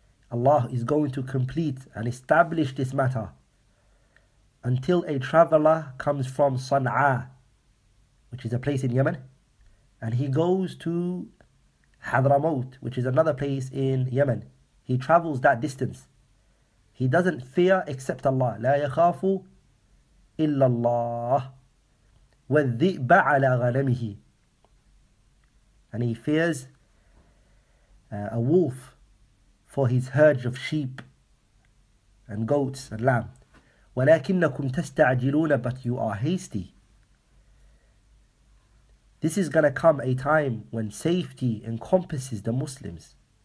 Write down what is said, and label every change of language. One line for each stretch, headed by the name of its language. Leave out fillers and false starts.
English: Allah is going to complete and establish this matter until a traveler comes from Sana'a, which is a place in Yemen, and he goes to Hadramaut, which is another place in Yemen. He travels that distance. He doesn't fear except Allah.
Arabic: لا يخاف إلا الله والذئب على غنمه.
English: And he fears a wolf for his herd of sheep and goats and lamb.
Arabic: ولكنكم تستعجلون,
English: but you are hasty. This is going to come a time when safety encompasses the Muslims.